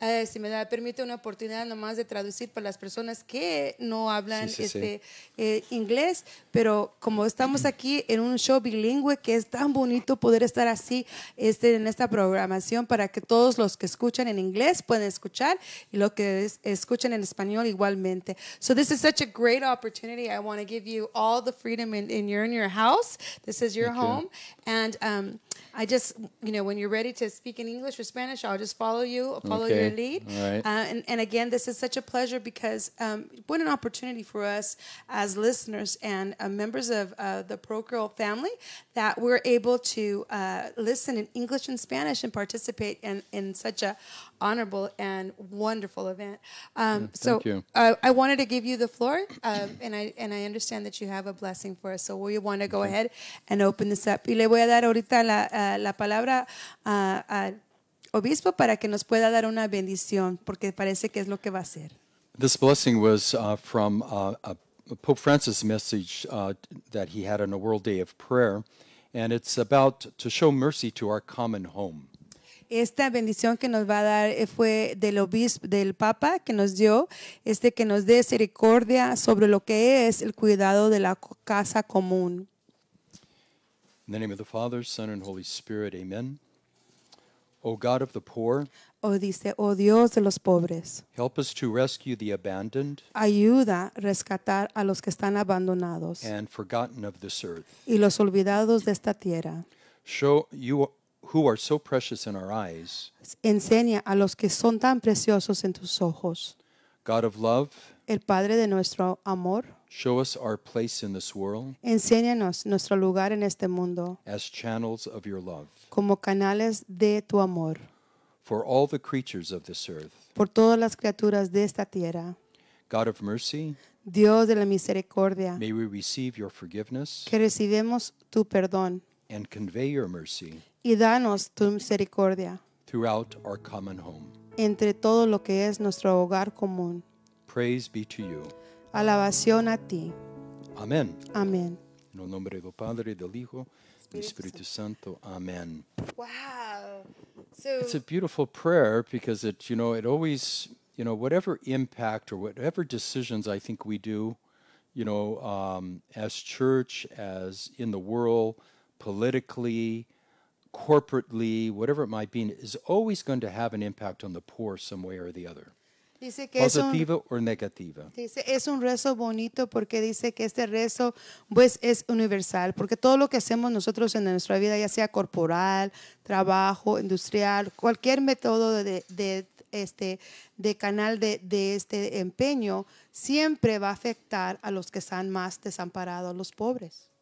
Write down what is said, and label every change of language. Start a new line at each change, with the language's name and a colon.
Spanish: Si me da, permite una oportunidad nomás de traducir para las personas que no hablan inglés. Pero como estamos aquí en un show bilingüe, que es tan bonito poder estar así en esta programación para que todos los que escuchan en inglés puedan escuchar y los que escuchan en español igualmente.
English: So this is such a great opportunity. I want to give you all the freedom in your house. This is your Thank home. You. And I just, you know, when you're ready to speak in English or Spanish, I'll just follow you, follow okay. your lead. All right. And again, this is such a pleasure because what an opportunity for us as listeners and members of the parochial family that we're able to listen in English and Spanish and participate in such a honorable and wonderful event. I wanted to give you the floor, and I understand that you have a blessing for us. So we want to go okay. ahead and open this up.
Spanish: Y le voy a dar ahorita la palabra al obispo para que nos pueda dar una bendición, porque parece que es lo que va a hacer.
English: This blessing was from Pope Francis' message that he had on a World Day of Prayer, and it's about to show mercy to our common home.
Spanish: Esta bendición que nos va a dar fue del obispo, del Papa, que nos dio, que nos dé misericordia sobre lo que es el cuidado de la casa común.
English: In the name of the Father, Son, and Holy Spirit, amen. O God of the poor,
Spanish: oh Dios de los pobres,
English: help us to rescue the abandoned,
Spanish: ayuda a rescatar a los que están abandonados,
English: and forgotten of this earth,
Spanish: y los olvidados de esta tierra.
English: Show you who are so precious in our eyes.
Spanish: Enseña a los que son tan preciosos en tus ojos.
English: God of love.
Spanish: El Padre de nuestro amor.
English: Show us our place in this world.
Spanish: Enséñanos nuestro lugar en este mundo.
English: As channels of your love.
Spanish: Como canales de tu amor.
English: For all the creatures of this earth.
Spanish: Por todas las criaturas de esta tierra.
English: God of mercy.
Spanish: Dios de la misericordia.
English: May we receive your forgiveness.
Spanish: Que recibamos tu perdón.
English: and convey your mercy
Spanish: y danos tu misericordia
English: throughout our common home.
Spanish: Entre todo lo que es nuestro hogar común.
English: Praise be to you.
Spanish: Alabación a ti. Amén. Amén. En el nombre del Padre, del Hijo, del Espíritu Santo. Amén.
English: Wow. So, it's a beautiful prayer because it, you know, it always, you know, whatever impact or whatever decisions I think we do, you know, as church, as in the world, politically, corporately, whatever it might be, is always going to have an impact on the poor some way or the other.
Spanish: Dice que positiva es un, or negativa. Dice, es un rezo bonito porque dice que este rezo pues es universal, porque todo lo que hacemos nosotros en nuestra vida, ya sea corporal, trabajo, industrial, cualquier método de canal de empeño, siempre va a afectar a los que están más desamparados, los pobres.